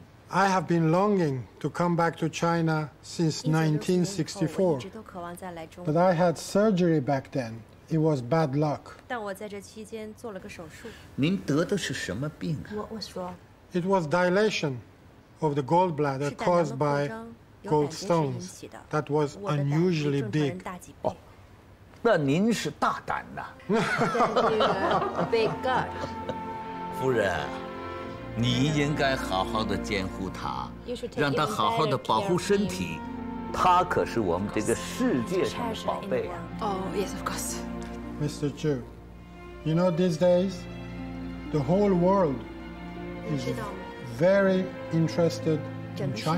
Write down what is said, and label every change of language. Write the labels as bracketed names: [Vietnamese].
[English] I have been longing to come back to China since 1964, but I had surgery back then. It was bad luck. [Chinese] 但我在这期间做了个手术。您得的是什么病啊 [English] ？What was wrong? It was dilation of the gallbladder caused by gallstones. That was unusually big. [Chinese] 那您是大胆呐 [English] ！Big gut. [Chinese] 夫人。你应该好好的监护他，让他好好的保护身体。他可是我们这个世界上的宝贝啊！ [English] Oh yes, of course. Mr. Zhou, you know these days, the whole world is very interested in China.